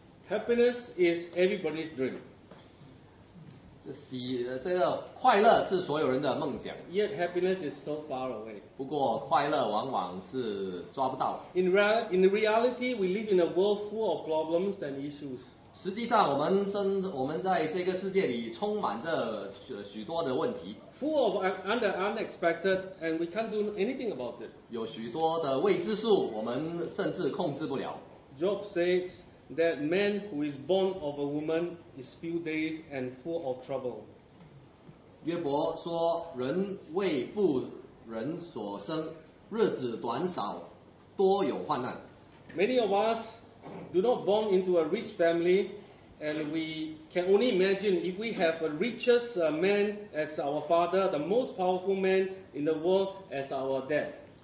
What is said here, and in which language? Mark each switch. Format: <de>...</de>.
<en>Happiness is everybody's dream.</en> <zh>这个快乐是所有人的梦想。</zh> <en>Yet happiness is so far away.</en> <zh>不过快乐往往是抓不到。</zh> <en>In reality, we live in a world full of problems and issues.</en> <zh>实际上我们在这个世界里充满着许多的问题。</zh> <en>Full of unexpected, and we can't do anything about it.</en> <zh>有许多的未知数，我们甚至控制不了。</zh> <en>Job says that man who is born of a woman is few days and full of trouble.</en> <zh>约伯说，人为妇人所生，日子短少，多有患难。</zh> <en>Many of us do not born into a rich family, and we can only imagine if we have a richest man as our father, the most powerful man in the world as our dad.</en>